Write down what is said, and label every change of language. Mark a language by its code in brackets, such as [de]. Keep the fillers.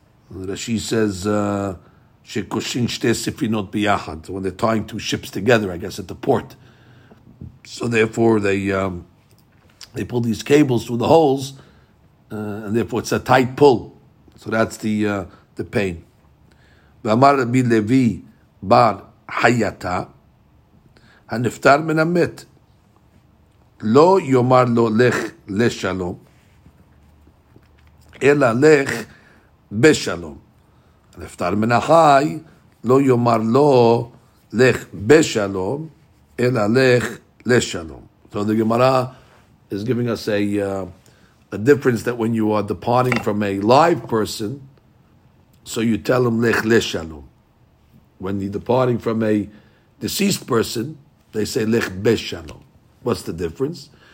[en] And Rashi says, uh, [he] "Shekushin shte sefinot biyachad." [en] When they're tying two ships together, I guess at the port. So therefore, they um, they pull these cables through the holes, uh, and therefore it's a tight pull. So that's the uh, the pain. [he] ואמר רבי לוי בר חייתה, הנפטר מן המת, לא יאמר לו לך לשלום, אלא לך בשלום. הנפטר מן החי, לא יאמר לו לך בשלום, אלא לך לשלום. [en] So the Gemara is giving us a, uh, a difference that when you are departing from a live person, So you tell him lech leshalom. When you're departing from a deceased person, they say lech beshalom. What's the difference?